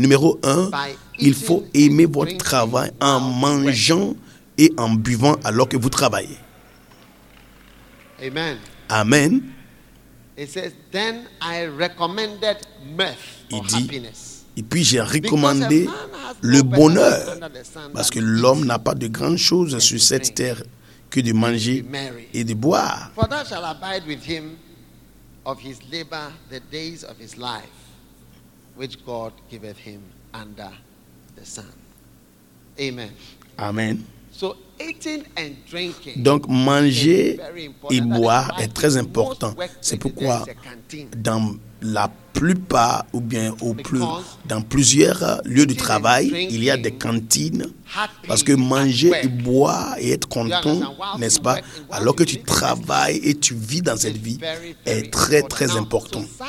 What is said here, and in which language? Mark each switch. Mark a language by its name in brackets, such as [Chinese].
[French] Numéro un, il faut aimer votre travail en mangeant et en buvant alors que vous travaillez. [English] Amen. It says, then I recommended mirth or happiness. [French] Et puis j'ai recommandé le bonheur, parce que l'homme n'a pas de grandes choses sur cette terre que de manger et de boire. [English] For thou shalt abide with him of his labor the days of his life, which God giveth him under the sun. Amen. Amen. So eating and drinking. [French] Donc manger et boire est très important. C'est pourquoi dans la plupart ou bien dans plusieurs lieux de travail, il y a des cantines. Parce que manger et boire et être content, n'est-ce pas, alors que tu travailles et tu vis dans cette vie, est très très important.